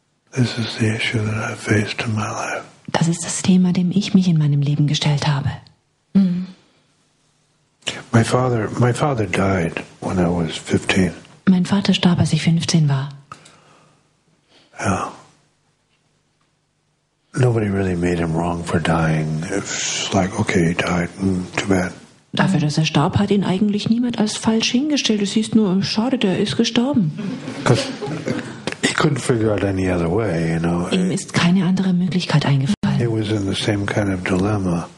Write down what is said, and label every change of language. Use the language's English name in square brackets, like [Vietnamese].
[English] This is the issue that I faced in my life. [German] Das ist das Thema, dem ich mich in meinem Leben gestellt habe. [English] My father died when I was 15. [German] Mein Vater starb, als ich 15 war. [English] Yeah. Nobody really made him wrong for dying. It's like, okay, he died, too bad. [German] Dafür, dass er starb, hat ihn eigentlich niemand als falsch hingestellt. Es hieß nur, schade, der ist gestorben. [English] He couldn't figure out any other way, you know. [German] Ihm ist keine andere Möglichkeit eingefallen. [English] He was in the same kind of dilemma.